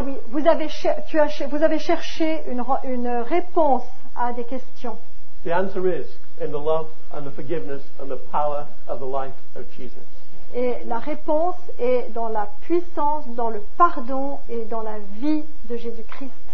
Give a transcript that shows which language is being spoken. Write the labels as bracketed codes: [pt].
[fr] Vous avez cherché une réponse à des questions. [en] The answer is in the love and the forgiveness and the power of the life of Jesus. [fr] Et la réponse est dans la puissance, dans le pardon et dans la vie de Jésus-Christ.